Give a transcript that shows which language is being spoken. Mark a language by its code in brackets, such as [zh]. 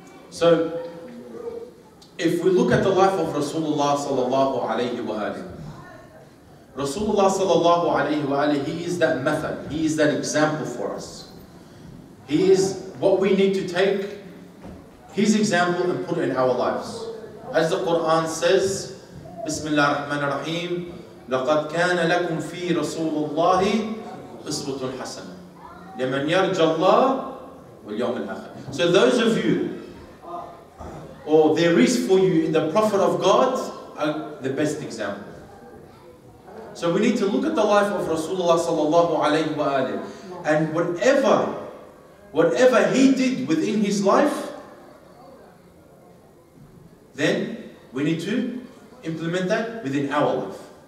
[en] So if we look at the life of Rasulullah sallallahu alayhi wa alihi, Rasulullah sallallahu alayhi wa alihi, he is that method, he is that example for us. He is what we need to take his example and put it in our lives. As the Quran says, [ar] Bismillah ar-Rahman ar-Rahim, لَقَدْ كَانَ لَكُمْ فِي رَسُولُ اللَّهِ أُسْوَةٌ حَسَنًا لِمَنْ يَرْجَى اللَّهِ وَالْيَوْمِ الْآخِرِ. [en] So those of you, or there is for you in the Prophet of God, the best example. So we need to look at the life of Rasulullah sallallahu alayhi wa alayhi. And whatever he did within his life, then we need to implement that within our life.